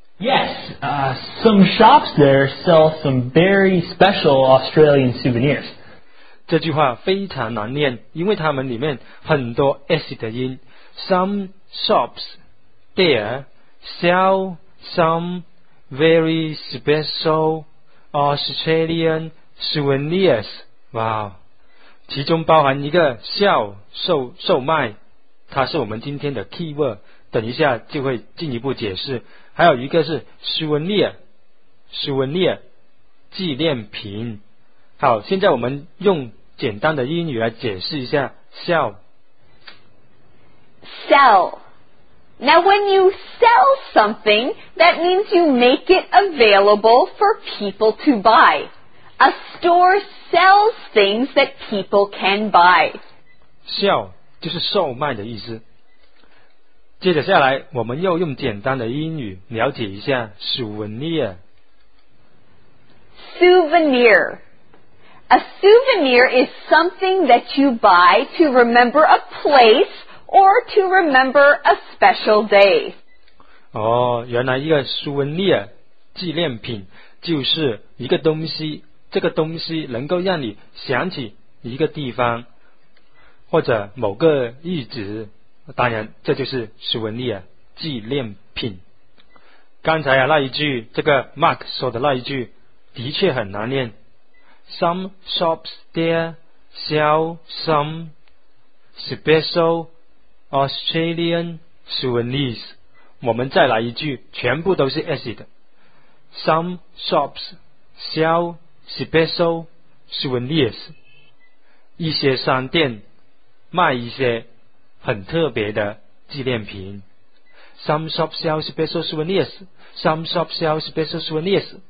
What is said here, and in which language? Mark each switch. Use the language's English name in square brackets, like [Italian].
[English] Yes, some shops there sell some very special Australian souvenirs. [Chinese] 这句话非常难念，因为他们里面很多 S 的音。 [English] Some shops there sellsome very special Australian souvenirs. [Chinese] 哇、wow, 其中包含一个销售售卖，它是我们今天的 keyword， 等一下就会进一步解释。还有一个是 souvenir 纪念品。好，现在我们用简单的英语来解释一下销售。 [English] Now, when you sell something, that means you make it available for people to buy. A store sells things that people can buy. [Chinese] Sell 就是售卖的意思。接着下来，我们又用简单的英语了解一下 souvenir。 [English] Souvenir. A souvenir is something that you buy to remember a place or to remember a special day. [Chinese] 哦，原来一个 souvenir 纪念品就是一个东西，这个东西能够让你想起一个地方或者某个日子。当然，这就是 souvenir 纪念品。刚才啊那一句，这个 Mark 说的那一句，的确很难念。 [English] Some shops there sell some special Australian souvenirs. [Chinese] 我们再来一句，全部都是 S 的。 [English] Some shops sell special souvenirs. [Chinese] 一些商店卖一些很特别的纪念品。 [English] Some shops sell special souvenirs. Some shops sell special souvenirs.